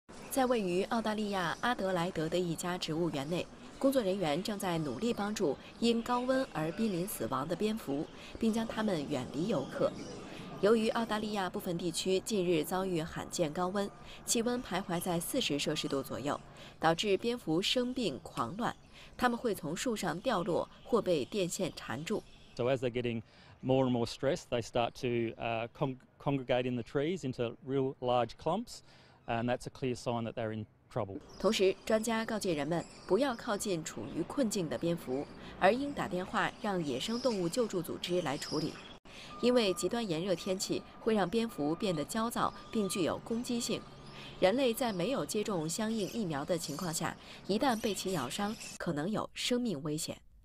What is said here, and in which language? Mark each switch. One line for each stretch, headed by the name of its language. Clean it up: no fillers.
Chinese: 在位于澳大利亚阿德莱德的一家植物园内，工作人员正在努力帮助因高温而濒临死亡的蝙蝠，并将它们远离游客。由于澳大利亚部分地区近日遭遇罕见高温，气温徘徊在40摄氏度左右，导致蝙蝠生病狂乱，它们会从树上掉落或被电线缠住。
English: So as they're getting more and more stressed, they start to congregate in the trees into real large clumps, and that's a clear sign that they're in trouble.
Chinese: 同时，专家告诫人们不要靠近处于困境的蝙蝠，而应打电话让野生动物救助组织来处理。因为极端炎热天气会让蝙蝠变得焦躁并具有攻击性，人类在没有接种相应疫苗的情况下，一旦被其咬伤，可能有生命危险。